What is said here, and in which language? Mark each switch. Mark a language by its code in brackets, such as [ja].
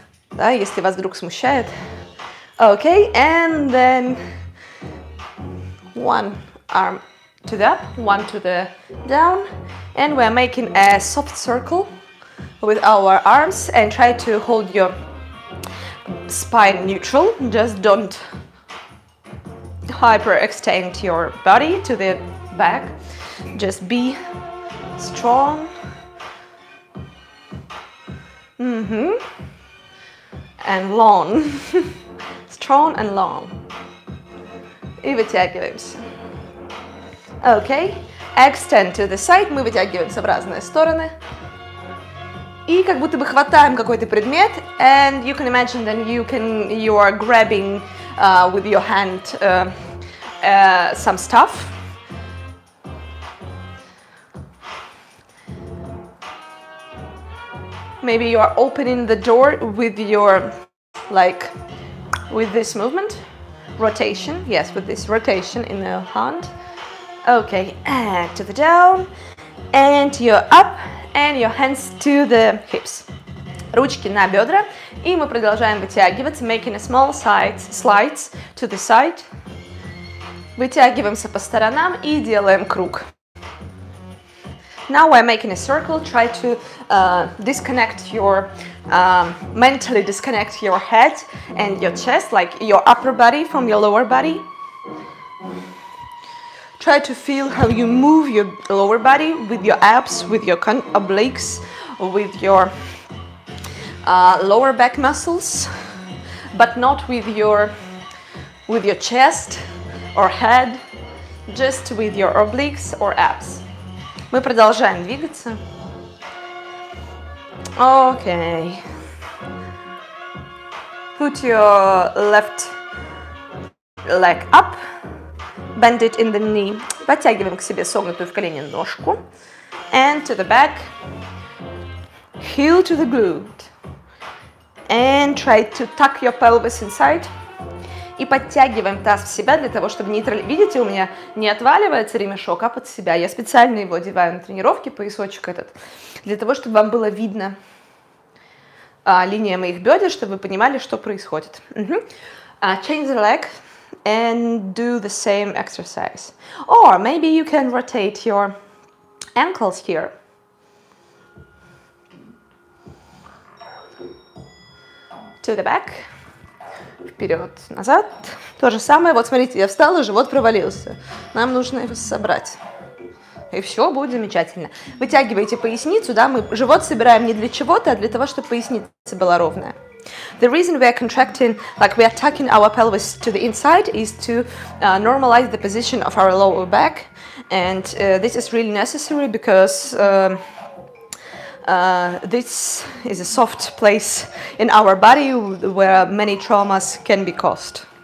[ru] Да, если вас вдруг смущает. [en] Okay, and then one arm to the up, one to the down, and we're making a soft circle with our arms, and try to hold your spine neutral, just don't hyperextend your body to the back. Just be strong Mm-hmm. And long. Strong and long. [ru] И вытягиваемся. [en] Okay. Extend to the side. [ru] Мы вытягиваемся в разные стороны. И как будто бы хватаем какой-то предмет. [en] And you can imagine that you are grabbing with your hand some stuff. Maybe you are opening the door with your, like, with this movement, rotation. Yes, with this rotation in the hand. Okay, and to the down, and you're up, and your hands to the hips. [ru] Ручки на бедра, и мы продолжаем вытягиваться, [en] making a small side slides to the side. [ru] Вытягиваемся по сторонам и делаем круг. [en] Now we're making a circle. Try to disconnect your mentally disconnect your head and your chest, like your upper body from your lower body. Try to feel how you move your lower body with your abs, with your obliques, with your lower back muscles, but not with your chest or head, just with your obliques or abs. [ru] Мы продолжаем двигаться. [en] Okay. Put your left leg up. Bend it in the knee. [ru] Подтягиваем к себе согнутую в колене ножку. [en] And to the back. Heel to the glute. And try to tuck your pelvis inside. [ru] И подтягиваем таз в себя для того, чтобы нейтрализовать. Видите, у меня не отваливается ремешок, а под себя. Я специально его одеваю на тренировке, поясочек этот, для того, чтобы вам было видно линия моих бедер, чтобы вы понимали, что происходит. [en] Change the leg and do the same exercise. Or maybe you can rotate your ankles here. To the back. [ru] Вперед, назад. То же самое. Вот смотрите, я встала, живот провалился. Нам нужно его собрать. И все будет замечательно. Вытягиваете поясницу, да, мы живот собираем не для чего-то, а для того, чтобы поясница была ровная. [en] The reason we are contracting, like we are tucking our pelvis to the inside, is to normalize the position of our lower back. And this is really necessary, because this is a soft place in our body where many traumas can be caused.